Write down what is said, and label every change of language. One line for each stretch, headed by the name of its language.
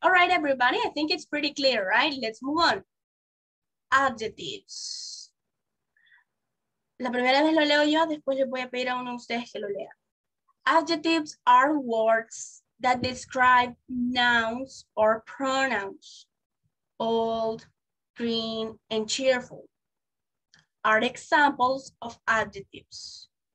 English: All right, everybody, I think it's pretty clear, right? Let's move on. Adjectives.
Spanish: La primera vez lo leo yo, después le voy a pedir a uno de ustedes que lo lea.
English: Adjectives are words that describe nouns or pronouns. Old, green, and cheerful are examples of adjectives.